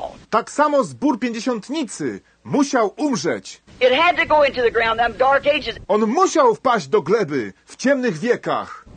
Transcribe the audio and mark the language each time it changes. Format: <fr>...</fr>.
<pl>Tak samo zbór pięćdziesiątnicy musiał umrzeć.</pl> <en>It had to go into the ground, them dark ages.</en> <pl>On musiał wpaść do gleby w ciemnych wiekach.</pl>